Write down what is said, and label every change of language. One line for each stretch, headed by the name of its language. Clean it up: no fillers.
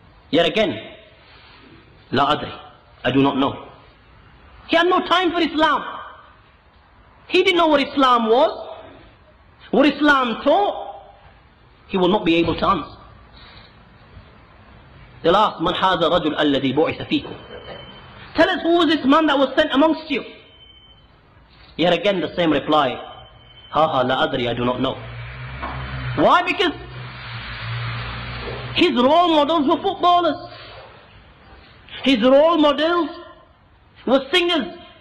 English: Yet again,
Arabic: لا أدري,
English: I do not know. He had no time for Islam. He didn't know what Islam was, what Islam taught. He will not be able to answer. They'll ask,
Arabic: من هذا الرجل الذي بعث فيكم?
English: Tell us, who was this man that was sent amongst you? Yet again, the same reply,
Arabic: هاها لا أدري,
English: I do not know. Why? Because his role models were footballers. His role models were singers.